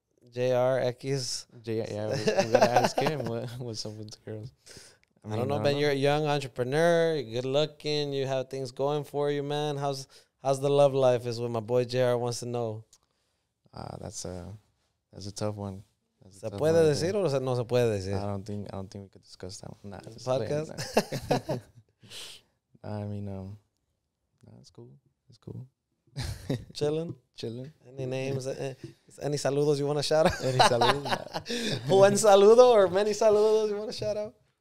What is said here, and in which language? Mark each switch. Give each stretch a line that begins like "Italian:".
English: JRX. We got to ask him what's up with the girls. I don't know, Ben. You're a young entrepreneur. You're good looking. You have things going for you, man. How's the love life? Is what my boy JR wants to know. That's a tough one.
Spanish: ¿Se puede decir o no se puede decir?
English: I don't think we could discuss that one. Nah, podcast. I mean, it's cool. Chilling. Any names? any
Spanish: saludos
English: you want to shout out? One saludo or many saludos you want to shout out?